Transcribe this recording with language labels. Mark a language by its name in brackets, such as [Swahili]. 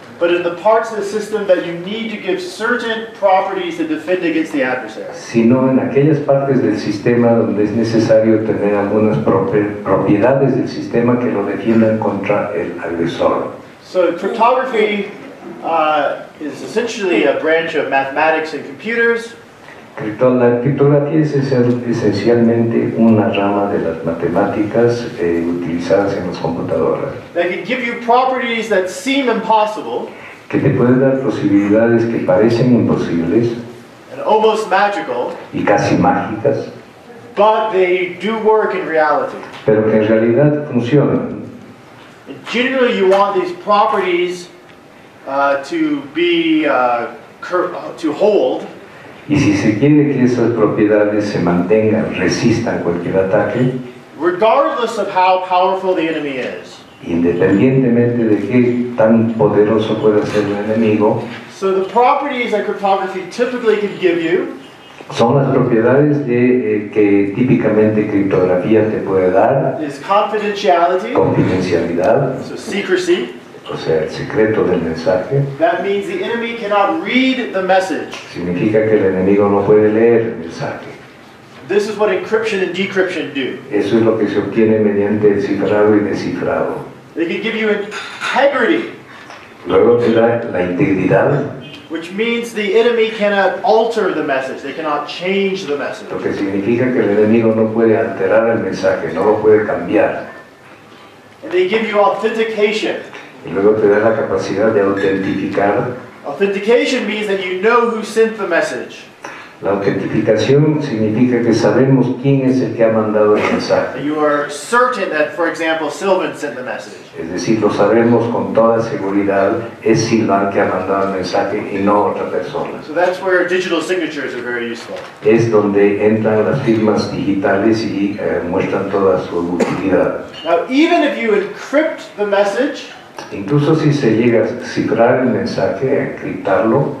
[English] But in the parts of the system that you need to give certain properties to defend against the adversary. [Spanish] Sino en aquellas partes del sistema donde es necesario tener algunas propiedades del sistema que lo defiendan contra el agresor. [English] So cryptography is essentially a branch of mathematics and computers. [Spanish] La criptografía es esencialmente una rama de las matemáticas utilizadas en las computadoras. [English] That can give you properties that seem impossible, [Spanish] que te pueden dar posibilidades que parecen imposibles [English] and almost magical, [Spanish] y casi mágicas, [English] but they do work in reality. [Spanish] Pero que en realidad funcionan. [English] And generally you want these properties to hold. [Spanish] Y si se quiere que esas propiedades se mantengan, resistan cualquier ataque, [English] regardless of how powerful the enemy is, [Spanish] independientemente de qué tan poderoso pueda ser el enemigo, [English] so the properties that cryptography typically can give you, [Spanish] son las propiedades de, que típicamente criptografía te puede dar, [English] is confidentiality, [Spanish] confidencialidad, [English] so secrecy, [Spanish] o sea, el secreto del mensaje. [English] That means the enemy cannot read the message. [Spanish] Significa que el enemigo no puede leer el mensaje. [English] This is what encryption and decryption do. [Spanish] Eso es lo que se obtiene mediante el cifrado y descifrado. [English] They can give you integrity. [Spanish] Luego te da la integridad. [English] Which means the enemy cannot alter the message. They cannot change the message. [Spanish] Lo que significa que el enemigo no puede alterar el mensaje, no lo puede cambiar. [English] And they give you authentication. [Spanish] Y luego te da la capacidad de autentificar. [English] Authentication means that you know who sent the message. [Spanish] La autentificación significa que sabemos quién es el que ha mandado el mensaje. [English] You are certain that, for example, Sylvan sent the message. [Spanish] Es decir, lo sabemos con toda seguridad, es Sylvan que ha mandado el mensaje y no otra persona. [English] So that's where digital signatures are very useful. [Spanish] Es donde entran las firmas digitales y muestran toda su utilidad. [English] Now, even if you encrypt the message, [Spanish] incluso si se llega a cifrar el mensaje, a encriptarlo,